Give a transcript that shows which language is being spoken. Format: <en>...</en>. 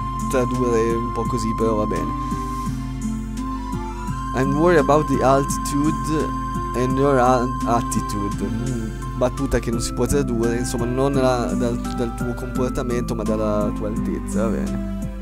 <it>Tradurre un po' così, però va bene.</it> <en>I'm worried about the altitude and your attitude.</en> <it>Battuta che non si può tradurre, insomma, non dal tuo comportamento, ma dalla tua altezza, va bene.</it>